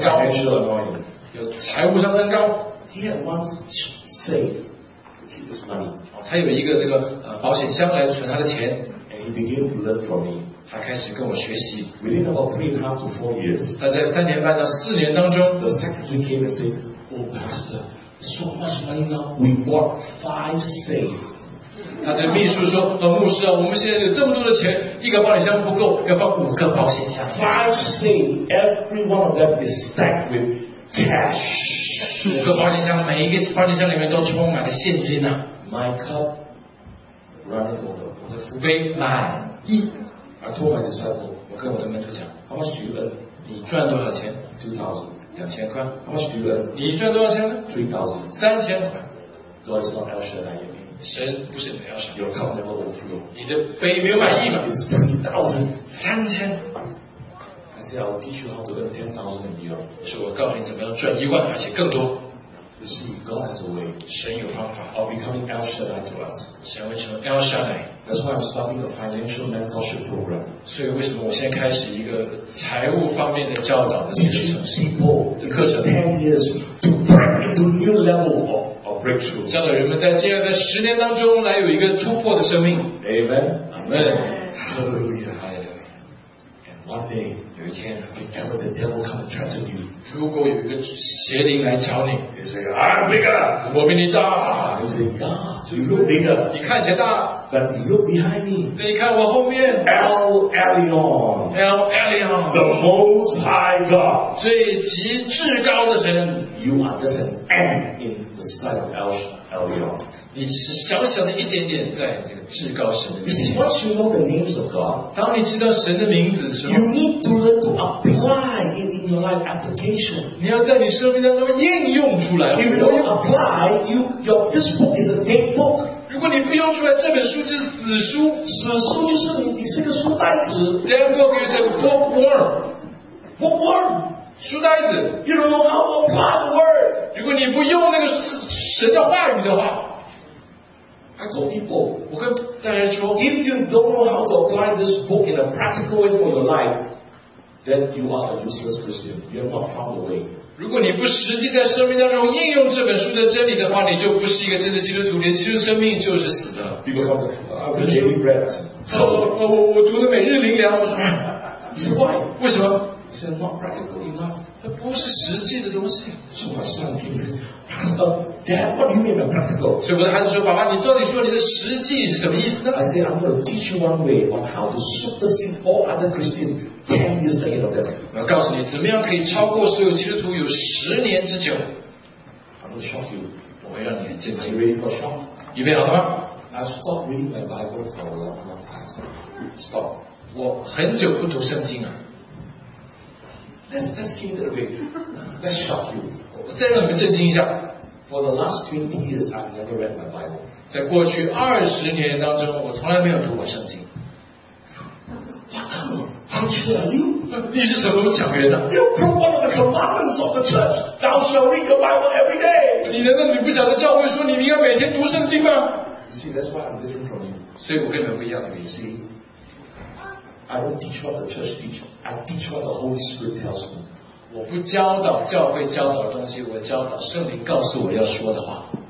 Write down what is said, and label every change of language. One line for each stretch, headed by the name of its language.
English: financial anointing，
Chinese: 有财务上的恩膏。
English: He had once saved to keep his money，
Chinese: 他有一个那个保险箱来存他的钱。
English: And he began to learn from me，
Chinese: 他他开始跟我学习。
English: Within about 3.5 to 4 years,
Chinese: 他在三年半到四年当中
English: ，the secretary came and said, "Oh, pastor, so much money now. We bought 5 safes."
Chinese: 他的秘书说、哦、牧师啊我们现在有这么多的钱一个保险箱不够要放五个保险箱
English: 5 safes every one of them is stacked with cash
Chinese: 五个保险箱每一个保险箱里面都充满了现金、啊、
English: My cup running over
Chinese: 我的福杯满溢
English: I told my disciple
Chinese: 我跟我的门徒讲
English: How much do you earn
Chinese: 你赚多少钱
English: 2,000
Chinese: 2,000块
English: How much do you earn
Chinese: 你赚多少钱呢
English: 3,000
Chinese: 3,000块
English: God is not Elshad that you mean
Chinese: 神不是没有神
English: Your cup never overflow
Chinese: 你的杯没有满意吗
English: It's 3,000
Chinese: 3,000
English: I say I'll teach you how to earn 10,000 and beyond
Chinese: 是我告诉你怎么样赚一万而且更多
English: You see God has a way
Chinese: 神有方法
English: I'll become El Shaddai to us
Chinese: 神会成为 El Shaddai
English: That's why I'm starting a financial mentorship program
Chinese: 所以为什么我现在开始一个财务方面的教导的
English: Teaching people the course of 10 years to break into new level ofBreakthrough.
Chinese: 教导人们在接下来的十年当中来有一个突破的生命。
English: Amen. Amen. Hallelujah. Hallelujah. And one day,
Chinese: 有一天
English: if ever the devil comes to threaten you,
Chinese: 如果有一个邪灵来找你
English: he says, I'm bigger.
Chinese: 我比你大。
English: He says, Yeah, so you look bigger.
Chinese: 你看起来大。
English: But you look behind me.
Chinese: 那你看我后面。
English: El Elyon. El Elyon. The Most High God.
Chinese: 最极至高的神。
English: You are just an ant in the sight of Elyon.
Chinese: 你只是小小的一点点在这个至高神的面前。
English: You see, once you know the names of God,
Chinese: 当你知道神的名字的时候
English: you need to learn to apply it in your life application.
Chinese: 你要在你生命当中应用出来。
English: If you don't apply, this book is a dead book.
Chinese: 如果你不用出来，这本书就是死书。死书就是你，你是个书呆子。
English: Dead book is a bookworm. Bookworm.
Chinese: 书呆子。
English: You don't know how to apply the word.
Chinese: 如果你不用那个神的话语的话
English: ，I told people.
Chinese: 我跟大家说
English: ，If you don't know how to apply this book in a practical way for your life, then you are a useless Christian. You have not found a way.
Chinese: 如果你不实际在生命当中应用这本书的真理的话，你就不是一个真的基督徒，你的基督生命就是死的。我读的每日灵粮，我说，
English: why？
Chinese: 为什么？
English: It's not practical enough.
Chinese: 不是实际的东西。
English: So my son came to Dad, what do you mean by practical?
Chinese: 所以我的孩子说，爸爸，你到底说你的实际是什么意思呢？
English: I said, I'm going to teach you one way on how to supersede all other Christians. 10 years ahead of them.
Chinese: 我告诉你，怎么样可以超过所有基督徒有十年之久
English: ？I'm going to shock you.
Chinese: 我会让你很震惊。
English: Ready for shock?
Chinese: 预备好了吗
English: ？I stopped reading my Bible for a long, long time. Stop.
Chinese: 我很久不读圣经了。
English: Let's keep it away. Let's shock you.
Chinese: 我再让你们震惊一下。
English: For the last 20 years, I've never read my Bible.
Chinese: 在过去20年当中，我从来没有读过圣经。
English: How true are you? You are from one of the commandments of the church. Thou shalt read your Bible every day.
Chinese: 你难道你不晓得教会说你应该每天读圣经吗？
English: You see, that's why I'm different from you.
Chinese: 所以我跟你们不一样的原因。
English: See, I don't teach what the church teaches. I teach what the Holy Spirit tells me.
Chinese: 我不教导教会教导的东西，我教导圣灵告诉我要说的话。